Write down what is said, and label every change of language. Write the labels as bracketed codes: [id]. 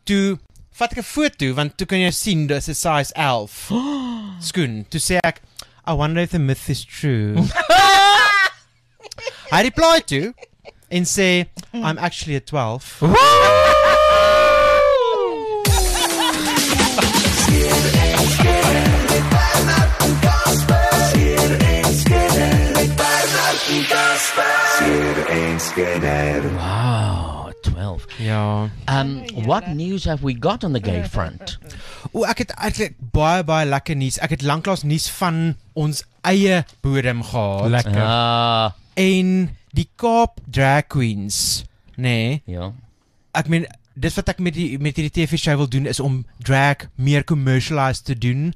[af] Toe vat ek een foto, want toe kan jy sien, dit is een size 11 skoen. Toe sê ek, [en] I wonder if the myth is true. I reply to, [af] en sê, [en] I'm actually a 12. Wow. Yeah. What news have we got on the gay front? [af] Oh, ek het eigenlijk baie lekker nuus. Ek het lanklaas nuus van ons eie bodem gehad. Lekker. En die Kaap Drag Queens, nee. Ja. Ek meen, dis wat ek met die TV show wil doen, is om drag meer commercialized te doen.